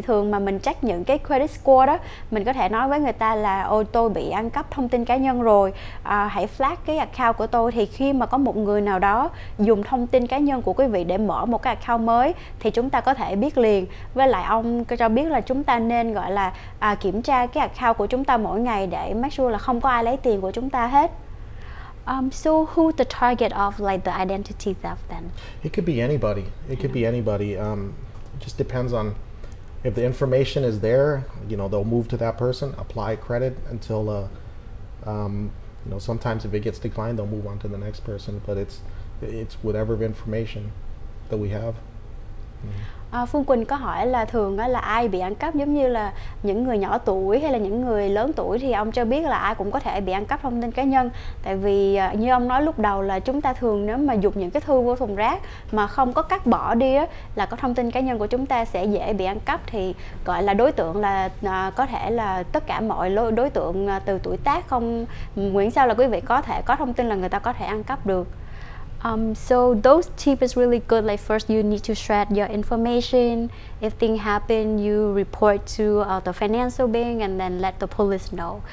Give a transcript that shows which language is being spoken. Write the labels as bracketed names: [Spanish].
[Vietnamese] Thường mà mình check những cái credit score đó, mình có thể nói với người ta là ô tôi bị ăn cắp thông tin cá nhân rồi, hãy flag cái account của tôi. Thì khi mà có một người nào đó dùng thông tin cá nhân của quý vị để mở một cái account mới thì chúng ta có thể biết liền. Với lại ông cho biết là chúng ta nên gọi là kiểm tra cái account của chúng ta mỗi ngày để [English] make sure [Vietnamese] là không có ai lấy tiền của chúng ta hết. [English] So who the target of like the identity theft then? It could be anybody. It could be anybody. Just depends on if the information is there, you know, they'll move to that person, apply credit until you know, sometimes if it gets declined, they'll move on to the next person, but it's whatever information that we have. [Vietnamese] Phương Quỳnh có hỏi là thường là ai bị ăn cắp, giống như là những người nhỏ tuổi hay là những người lớn tuổi, thì ông cho biết là ai cũng có thể bị ăn cắp thông tin cá nhân. Tại vì như ông nói lúc đầu là chúng ta thường nếu mà dùng những cái thư vô thùng rác mà không có cắt bỏ đi á, là có thông tin cá nhân của chúng ta sẽ dễ bị ăn cắp. Thì gọi là đối tượng là có thể là tất cả mọi đối tượng từ tuổi tác không nguyễn sao là quý vị có thể có thông tin là người ta có thể ăn cắp được. [English] So those tips is really good. Like first, you need to shred your information. If thing happen, you report to the financial bank and then let the police know.